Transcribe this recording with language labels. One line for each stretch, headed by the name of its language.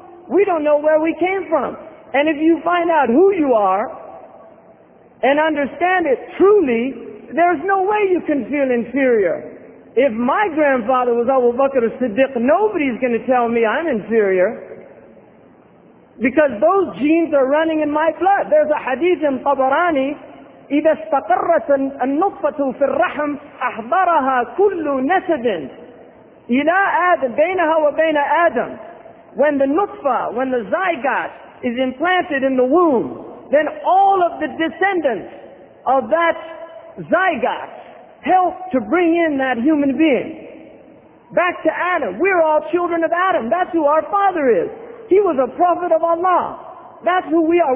English: We don't know where we came from. And if you find out who you are and understand it truly, there's no way you can feel inferior. If my grandfather was Abu Bakr as-Siddiq, nobody's going to tell me I'm inferior, because those genes are running in my blood. There's a hadith in Tabarani,
Arabic: إِذَا اسْتَقَرَّتَ النُّطْفَةُ فِي الرَّحْمِ أَحْضَرَهَا كُلُّ نَسَدٍ إِلَىٰ آدَمٍ بَيْنَهَا وَبَيْنَ آدَمٍ.
English: When the nutfa, when the zygote is implanted in the womb, then all of the descendants of that zygote help to bring in that human being. Back to Adam. We're all children of Adam. That's who our father is. He was a prophet of Allah. That's who we are.